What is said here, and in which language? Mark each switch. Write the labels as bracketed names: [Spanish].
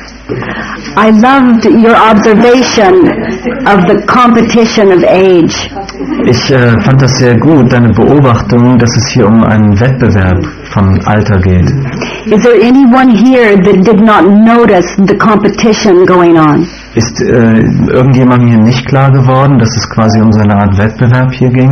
[English] I loved your observation of the competition of age. [German] Ich fand das sehr gut, deine Beobachtung, dass es hier um einen Wettbewerb von Alter geht. [English] Is there anyone here that did not notice the competition going on? [German] Ist irgendjemandem hier nicht klar geworden, dass es quasi um so eine Art Wettbewerb hier ging?